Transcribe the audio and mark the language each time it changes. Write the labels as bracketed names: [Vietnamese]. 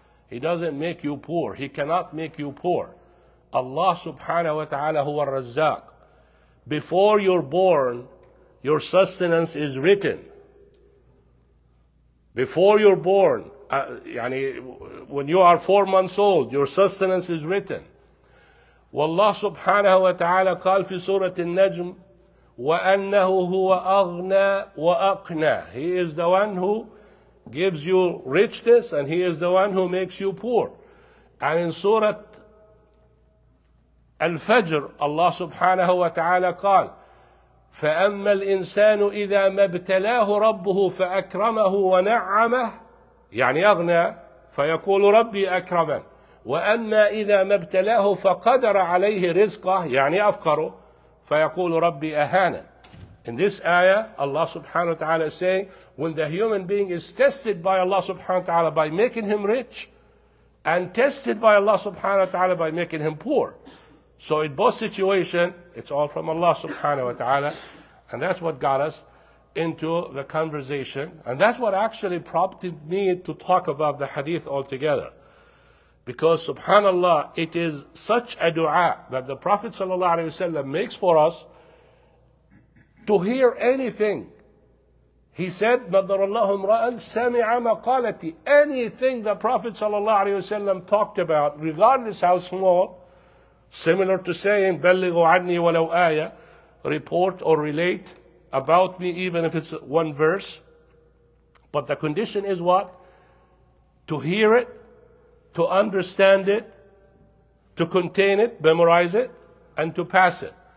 [English] He doesn't make you poor. He cannot make you poor. [Arabic] Allah subhanahu wa ta'ala huwa al-razzaq. [English] Before you're born, your sustenance is written. Before you're born, يعني, when you are 4 months old, your sustenance is written. [Arabic] والله سبحانه وتعالى قال في سورة النجم وأنه هو أغنى وأقنى. [English] He is the one who gives you richness and he is the one who makes you poor. And in [Arabic] سورة الفجر الله سبحانه وتعالى قال فأما الإنسان إذا ما ابتلاه ربه فأكرمه ونعمه يعني أغنى فيقول ربي أكرما وأما إذا ما ابتلاه فقدر عليه رزقه يعني أفقره فيقول ربي أهانا. [English] In this ayah, Allah subhanahu wa ta'ala is saying, when the human being is tested by Allah subhanahu wa ta'ala by making him rich, and tested by Allah subhanahu wa ta'ala by making him poor. So in both situations, it's all from Allah subhanahu wa ta'ala. And that's what got us into the conversation. And that's what actually prompted me to talk about the hadith altogether. Because subhanallah, it is such a dua that the Prophet sallallahu alayhi wa sallam makes for us to hear anything. He said, [Arabic] نَظَرَ اللَّهُ امْرَأً سَمِعَ مَقَالَتِي. [English] Anything the Prophet sallallahu alayhi wa sallam talked about, regardless how small, similar to saying, [Arabic] بَلِّغُ عَنِّي وَلَوْ آيَةً, [English] report or relate about me, even if it's one verse. But the condition is what? To hear it, to understand it, to contain it, memorize it, and to pass it.